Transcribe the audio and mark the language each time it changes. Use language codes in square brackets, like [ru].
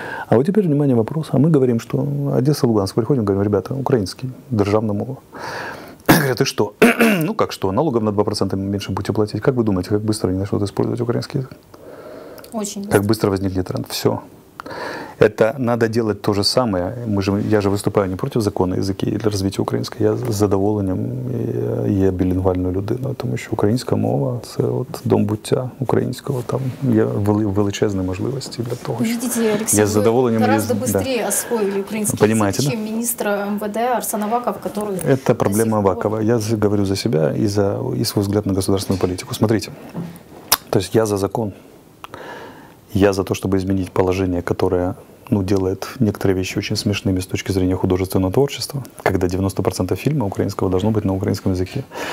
[ru] А вот теперь, внимание, вопрос. А мы говорим, что Одесса и Луганск. Приходим, говорим, ребята, украинский, державная мова. Говорят, и что? Ну как что? Налогов на 2% меньше будете платить. Как вы думаете, как быстро они начнут использовать украинский язык? Очень. Как быстро возникли тренд? Все. Это надо делать то же самое. Я же выступаю не против закона языки для развития украинского. [uk] Я с задоволенням є білінгвальною людиною. Тому що українська мова – це от дом буття українського. Там є величезні можливості для того, [ru] що... Видите, Алексей, [uk] я з задоволенням [ru] гораздо быстрее освоили украинский, понимаете, язык, чем, да, министра МВД Арсен Аваков, который... Это проблема Авакова. Я говорю за себя и свой взгляд на государственную политику. Смотрите, то есть я за закон. Я за то, чтобы изменить положение, которое, ну, делает некоторые вещи очень смешными с точки зрения художественного творчества, когда 90% фильма украинского должно быть на украинском языке.